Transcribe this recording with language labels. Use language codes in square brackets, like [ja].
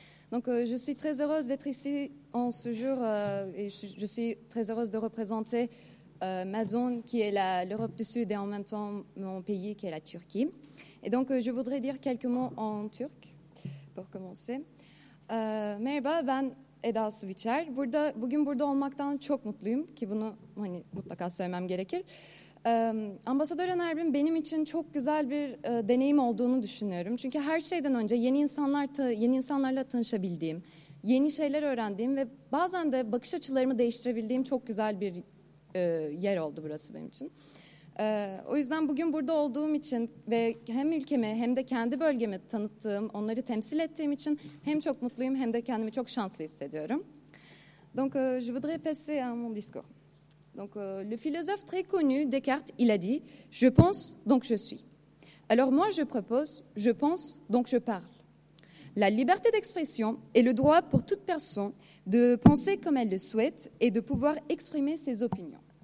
[fr] Donc je suis très heureuse d'être ici en ce jour et je suis très heureuse de représenter ma zone qui est l'Europe du Sud et en même temps mon pays qui est la Turquie. Et donc je voudrais dire quelques mots en turc pour commencer. [tr] Merhaba, ben Eda Subichal. Burada, bugün burada olmaktan çok mutluyum ki bunu hani mutlaka söylemem gerekir. Ambasador Enerbin benim için çok güzel bir deneyim olduğunu düşünüyorum. Çünkü her şeyden önce yeni insanlarla tanışabildiğim, yeni şeyler öğrendiğim ve bazen de bakış açılarımı değiştirebildiğim çok güzel bir yer oldu burası benim için. O yüzden bugün burada olduğum için ve hem ülkemi hem de kendi bölgemi tanıttığım, onları temsil ettiğim için hem çok mutluyum hem de kendimi çok şanslı hissediyorum. [fr] Donc je voudrais passer à mon discours. Donc le philosophe très connu Descartes, il a dit je pense donc je suis. Alors moi je propose je pense donc je parle. La liberté d'expression est le droit pour toute personne de penser comme elle le souhaite et de pouvoir exprimer ses opinions.